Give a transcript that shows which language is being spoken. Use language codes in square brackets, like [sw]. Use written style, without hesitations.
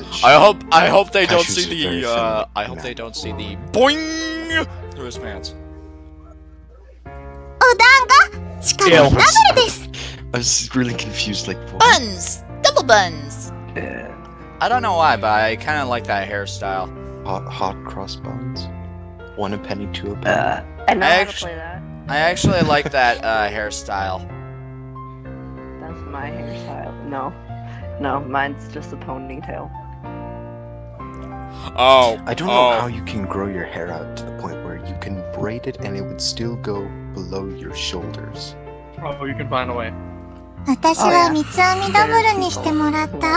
[en] I hope they don't see the I hope they don't see the boing. Through his pants. [ja] お団子しかもダブルです [en] I was really confused, like, what? Buns! Double buns! I don't know why, but I kind of like that hairstyle. Hot cross buns. One a penny, two a penny. I know how to play that. I actually like that hairstyle. That's my hairstyle. No, mine's just a ponytail. Oh, I don't know how you can grow your hair out to the point where you can braid it and it would still go below your shoulders. Oh, you can find a way. [ja] 私は三つ編みダブルにしてもらった。